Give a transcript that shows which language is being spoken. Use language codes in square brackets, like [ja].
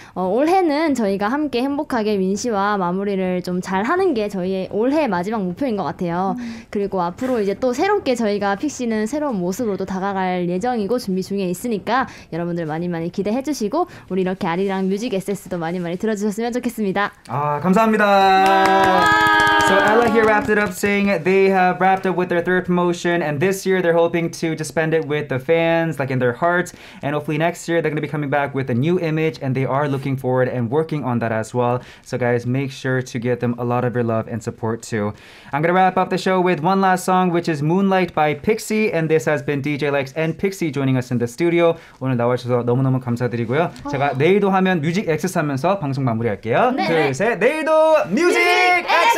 [ko] 올해는 저희가 함께 행복하게 민씨와 마무리를 좀 잘 하는 게 저희의 올해 마지막 목표인 것 같아요. 그리고 앞으로 이제 또 새롭게 저희가 픽시는 새로운 모습으로도 다가갈 예정이고 준비 중에 있으니까 여러분들 많이 많이 기대해 주시고 우리 이렇게 아리랑 뮤직 SS도 많이 많이 들어주셨으면 좋겠습니다. 아, 감사합니다. [en] So Ella here wrapped it up saying they have wrapped up with their third promotion and this year they're hoping to just spend it with the fans like in their hearts and hopefully next year they're going to be coming back with a new image and they are looking forward and working on that as well. So guys, make sure to give them a lot of your love and support too. I'm gonna wrap up the show with one last song, which is Moonlight by Pixie. And this has been DJ Lex and Pixie joining us in the studio. [ko] 오늘 나와주셔서 너무너무 감사드리고요. 제가 내일도 하면 뮤직 액세스 하면서 방송 마무리할게요. 네. 둘, 셋, 내일도 뮤직